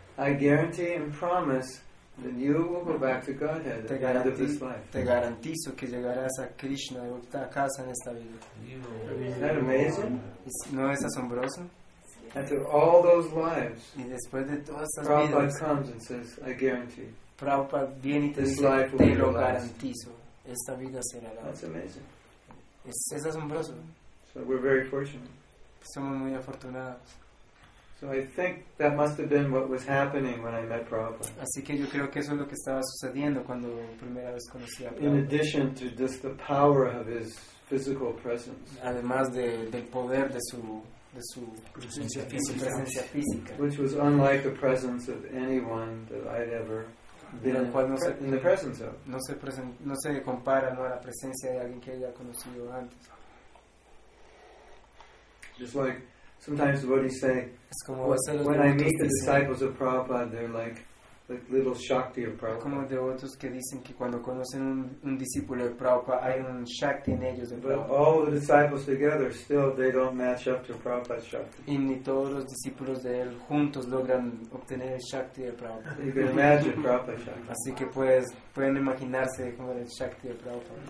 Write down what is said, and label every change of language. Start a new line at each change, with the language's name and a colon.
English: I guarantee and promise that you will go back to Godhead at the end of this life.
Spanish: Te garantizo que llegarás a Krishna de vuelta a casa en esta vida.
English: Is that amazing?
Spanish: ¿No es asombroso?
English: After all those lives,
Spanish: y después de todas esas
English: Prabhupada
Spanish: vidas,
English: comes and says, I guarantee.
Spanish: Prabhupada viene y te dice, te lo garantizo. Esta vida será la.
English: That's amazing.
Spanish: Es asombroso.
English: So we're very fortunate.
Spanish: Somos muy afortunados.
English: So I think that must have been what was happening when I met Prabhupada.
Spanish: Así que yo creo que eso es lo que estaba sucediendo cuando primera vez conocí a Prabhupada.
English: In addition to just the power of his physical presence.
Spanish: Además del poder de su presencia física,
English: which was unlike the presence of anyone that I'd ever been in the presence of.
Spanish: No se compara, ¿no?, a la presencia de alguien que haya conocido antes.
English: Just like sometimes devotees say, when I meet the disciples of Prabhupada, they're like little Shakti of Prabhupada.
Spanish: Como devotos que dicen que cuando conocen un discípulo de Prabhupada, hay un Shakti en ellos.
English: But all the disciples together, still they don't match up to Prabhupada's Shakti.
Spanish: Y ni todos los discípulos de él juntos logran obtener el Shakti de Prabhupada.
English: You can imagine Prabhupada's Shakti.
Spanish: Así que pueden imaginarse cómo es el Shakti de Prabhupada.